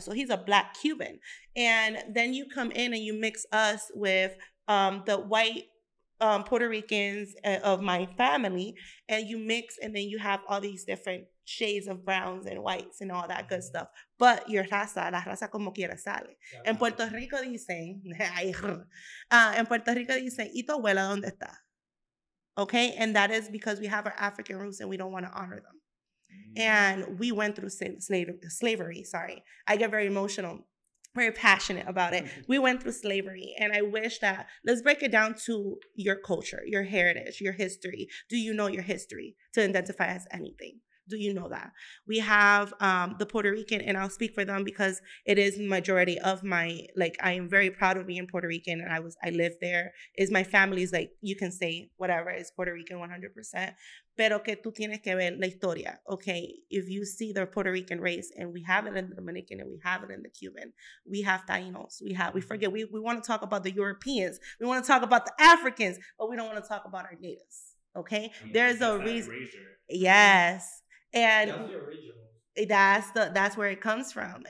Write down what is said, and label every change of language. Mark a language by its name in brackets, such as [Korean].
[English] So he's a Black Cuban. And then you come in and you mix us with the white Puerto Ricans of my family, and you mix, and then you have all these different shades of browns and whites and all that good stuff. But your [Spanish] raza, la raza como quiera sale. En Puerto Rico dicen, en Puerto Rico dicen, ¿y tu abuela dónde está? [English] Okay, and that is because we have our African roots and we don't want to honor them. And we went through slavery, sorry. I get very emotional, very passionate about it. We went through slavery, and I wish that, let's break it down to your culture, your heritage, your history. Do you know your history to identify as anything? Do you know that? We have the Puerto Rican, and I'll speak for them because it is majority of my, like, I am very proud of being Puerto Rican, and I live there. Is my family's, like, you can say whatever, is Puerto Rican 100%. [Spanish] Pero que tú tienes que ver la historia, okay? [English] If you see the Puerto Rican race, and we have it in the Dominican, and we have it in the Cuban, we have Taínos, we want to talk about the Europeans, we want to talk about the Africans, but we don't want to talk about our natives, okay? There's a reason. Yes. And that's where it comes from.